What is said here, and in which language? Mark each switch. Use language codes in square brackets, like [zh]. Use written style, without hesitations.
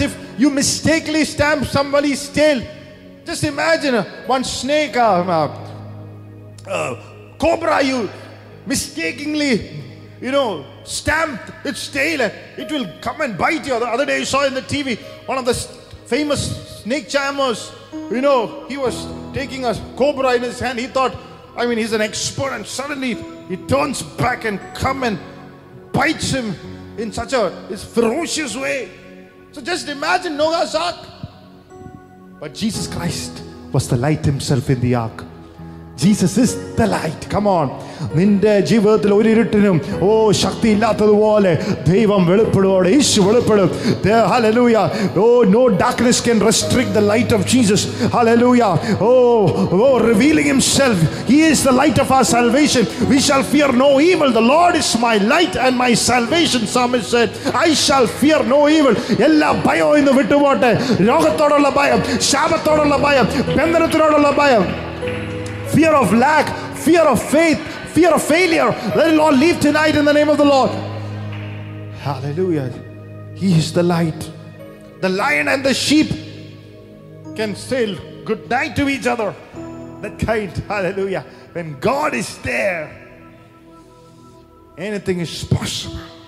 [en] If you mistakenly stamp somebody's tail, just imagine one snake, cobra, you mistakenly, you know, stamped its tail and it will come and bite you. The other day you saw in the TV, one of the famous snake charmers, you know, he was taking a cobra in his hand. He thought, I mean, he's an expert, and suddenly he turns back and come and bites him in such a ferocious way. So just imagine Noah's ark. But Jesus Christ was the light himself in the ark. Jesus is the light. Come on. [ml] നിന്റെ ജീവിതത്തിൽ ഒരിട്ടിനും ഓ ശക്തി ഇല്ലാത്തതുപോലെ ദൈവം വെളിപ്പെടുവോടെ, യേശു വെളിപ്പെടും. ഹല്ലേലൂയാ. [en] Oh, no darkness can restrict the light of Jesus. Hallelujah. Oh, oh revealing himself, he is the light of our salvation. We shall fear no evil. The Lord is my light and my salvation. Psalmist said, I shall fear no evil. [ml] എല്ലാ ഭയവും ഇന്ന് വിട്ടുപോട്ടെ. രോഗത്തോടുള്ള ഭയം, ശാപത്തോടുള്ള ഭയം, ബന്ധനത്തിനോടുള്ള ഭയം, [en] Fear of lack, fear of faith, fear of failure, let it all leave tonight in the name of the Lord. Hallelujah. He is the light. The lion and the sheep can say good night to each other. That kind, hallelujah. When God is there, anything is possible.